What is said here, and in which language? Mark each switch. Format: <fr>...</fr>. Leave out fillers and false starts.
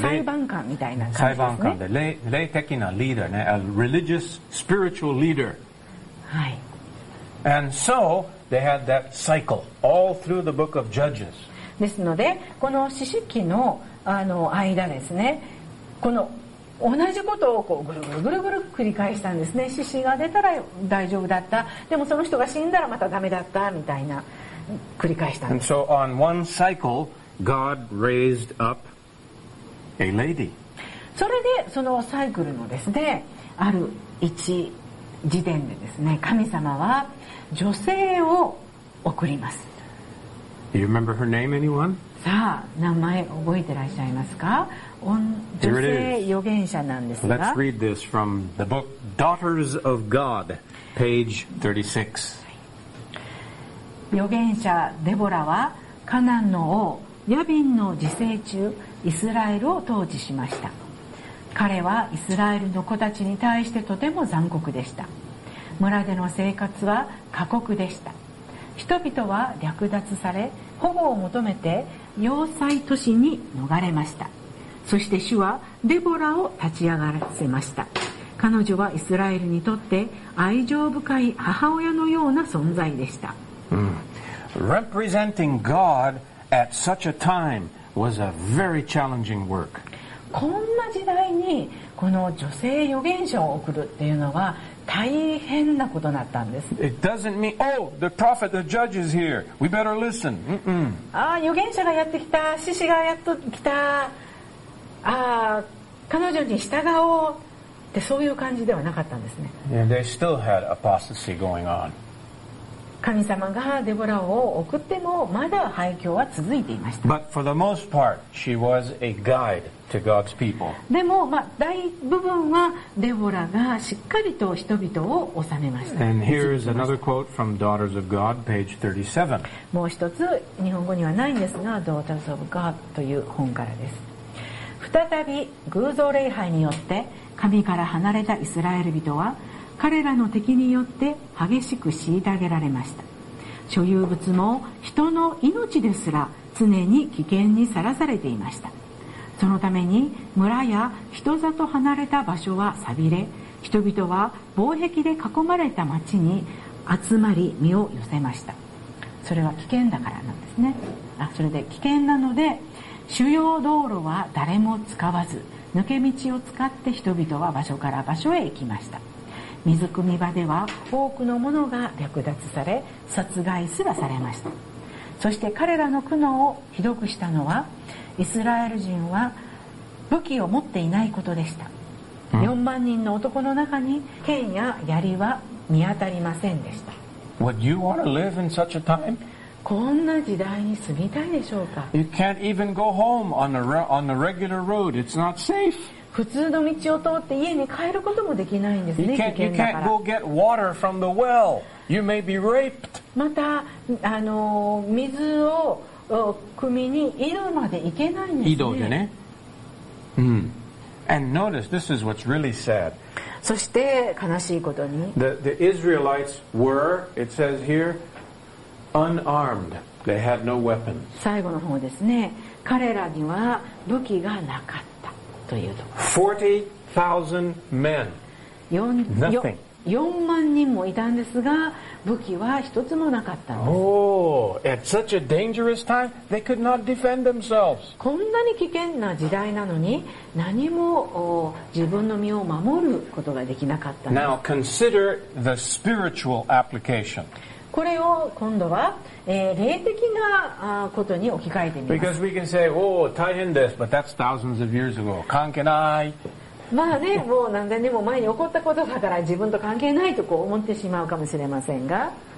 <ja>裁判官みたいな感じですね。裁判官で霊的なリーダーね、</ja> <en>a religious spiritual leader。</en> <ja>はい。</ja> <en>And so they had that cycle all through the book of Judges。</en> <ja>ですのでこの四世紀の間ですね、この同じことをこうぐるぐるぐるぐる繰り返したんですね。獅子が出たら大丈夫だった、でもその人が死んだらまたダメだったみたいな繰り返したんです。</ja> <en>And so on one cycleGod raised up a lady.</en> <ja>それでそのサイクルのですね、ある一時点でですね、神様は女性を送ります。</ja> <en>Do you remember her name, anyone?</en> <ja>さあ、名前覚えてらっしゃいますか？女性預言者なんですが。</ja> <en>Let's read this from the book Daughters of God, page 36.</en> <ja>預言者デボラはカナンの王ヤビンの治世中イスラエルを統治しました。彼はイスラエルの子たちに対してとても残酷でした。村での生活は過酷でした。人々は略奪され、保護を求めて要塞都市に逃れました。そして主はデボラを立ち上がらせました。彼女はイスラエルにとって愛情深い母親のような存在でした。</ja> <en>Representing GodAt such a time was a very challenging work.</en> <ja>こんな時代にこの女性預言者を送るっていうのは大変なことだったんです。</ja> <en>It doesn't mean, oh, the prophet, the judge is here. We better listen.</en> <ja>ああ、預言者がやってきた。獅子がやっと来た。ああ、彼女に従おうってそういう感じではなかったんですね。</ja> <en>Yeah, they still had apostasy going on.</en> <ja>神様がデボラを送ってもまだ廃墟は続いていました。</ja> <en>But for the most part, she was a guide to God's people.</en> <ja>でも、まあ、大部分はデボラがしっかりと人々を収めました。</ja> <en>And here is another quote from Daughters of God, page 37.</en> <ja>もう一つ、日本語にはないんですが、Daughters of God という本からです。再び偶像礼拝によって神から離れたイスラエル人は彼らの敵によって激しく虐げられました。所有物も人の命ですら常に危険にさらされていました。そのために村や人里離れた場所は寂れ、人々は防壁で囲まれた町に集まり身を寄せました。それは危険だからなんですね。それで危険なので主要道路は誰も使わず、抜け道を使って人々は場所から場所へ行きました。水汲み場では多くのものが略奪され、殺害すらされました。そして彼らの苦悩をひどくしたのはイスラエル人は武器を持っていないことでした。 4万人の男の中に剣や槍は見当たりませんでした。</ja> <en>Would you want to live in such a time?</en> <ja>こんな時代に住みたいでしょうか。</ja> <en>You can't even go home on the regular road. It's not safe.</en> <ja>普通の道を通って家に帰ることもできないんですね。危険だから。</ja> <en>You can't go get water from the well. You may be raped.</en> <ja>また水を汲みに井戸まで行けないんですね。井戸でね。</ja> <en>And notice, this is what's really sad.</en> <ja>そして悲しいことに、</ja> <en>The Israelites were, it says here, unarmed. They had no weapons.</en> <ja>最後の方ですね。彼らには武器がなかった。</ja> <en>40,000 men. Nothing.</en> <ja>40,000人もいたんですが、武器は一つもなかったんです。</ja> <en>Oh, at such a dangerous time, they could not defend themselves.</en> <ja>こんなに危険な時代なのに、何も自分の身を守ることができなかったんです。</ja> <en>Now consider the spiritual application.</en> <ja>これを今度は、霊的なことに置き換えてみます。</ja> <en>Because we can say, oh,</en> <ja>大変です。</ja> <en>But that's thousands of years ago.</en> <ja>関係ない。まあね、もう何千年も前に起こったことだから自分と関係ないとこう思ってしまうかもしれませんが、</ja>